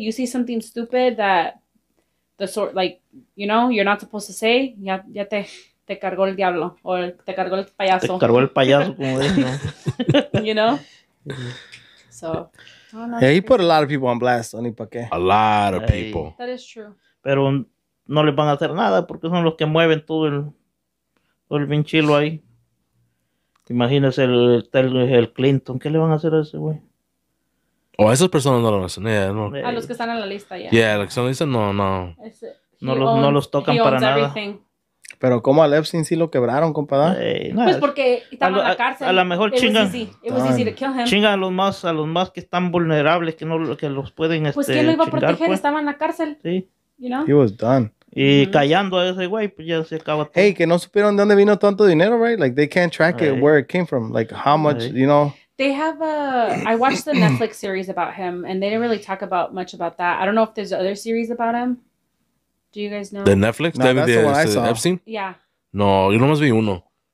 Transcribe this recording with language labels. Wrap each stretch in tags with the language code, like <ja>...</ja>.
<en>You see something stupid that the sort, like, you know, you're not supposed to say,</en> <es>ya te cargó el diablo, or te cargó el payaso. Te cargó el payaso, como de,</es> <en>¿no? You know? So. Oh, yeah, he put a lot of people on blast, ¿no?</en> <es>¿Para qué?</es> <en>A lot of people. That is true.</en> <es>Pero no les van a hacer nada porque son los que mueven todo el vinchilo ahí. Imagínese el Clinton, ¿qué le van a hacer a ese güey? Oh, a esas personas no lo hacen, no. A los que están en la lista, ya. Yeah, los que están en la lista, no. No los tocan para nada. Everything. Pero ¿cómo a Epstein sí lo quebraron, compadre? Pues porque estaban en la cárcel. A lo mejor chingan a los más que están vulnerables, que los pueden chingar. Pues ¿quién lo iba a proteger? Pues. Estaba en la cárcel. Sí.</es> <en>You know? He was done.</en> <es>Y callando a ese güey, pues ya se acaba todo. Hey, que no supieron de dónde vino tanto dinero, right?</es> <en>Like, they can't track it, where it came from. Like, how much, you know? They have I watched the Netflix series about him, and they didn't really talk about much about that. I don't know if there's other series about him. Do you guys know? The Netflix? No, that's the one I saw. Epstein? Yeah.</en> <es>No, yo nomás vi uno.</es>